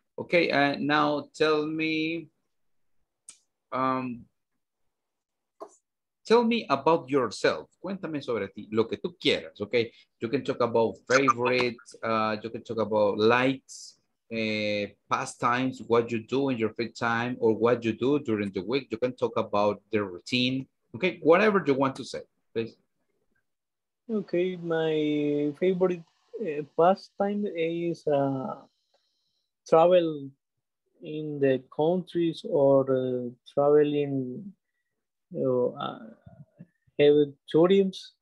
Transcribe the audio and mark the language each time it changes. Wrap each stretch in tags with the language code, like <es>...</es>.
<en>Okay, now tell me, tell me about yourself.</en> <es>Cuéntame sobre ti, lo que tú quieras, okay?</es> <en>You can talk about favorites, you can talk about likes, pastimes, what you do in your free time, or what you do during the week. You can talk about the routine, okay? Whatever you want to say, please. Okay, my favorite pastime is travel in the countries or traveling, you know, have tourists.</en>